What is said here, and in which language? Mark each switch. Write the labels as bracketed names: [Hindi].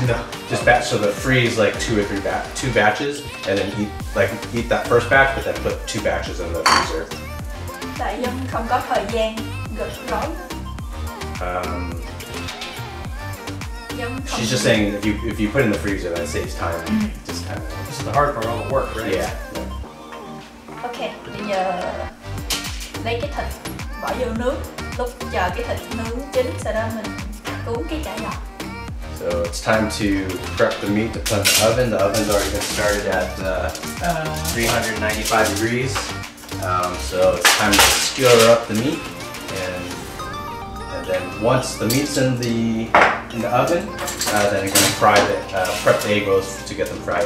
[English] No, just batch, so the freeze like two batches, and then eat that first batch, but then put 2 batches in the freezer. [Vietnamese] Tại em không có thời gian gấp gói. [English] She's just saying if you put it in the freezer, that saves time. Mm. This is the hard part, all the work, right? Yeah. [Vietnamese] Okay, bây giờ lấy cái thịt bỏ vô nước, lúc chờ cái thịt nướng chín, sau đó mình cuốn cái chả giò. [English] So it's time to prep the meat to put in the oven. The oven's already been started at 395 degrees. So it's time to skewer up the meat, and then once the meat's in the oven, then you're gonna fry the prep the egg rolls to get them fried.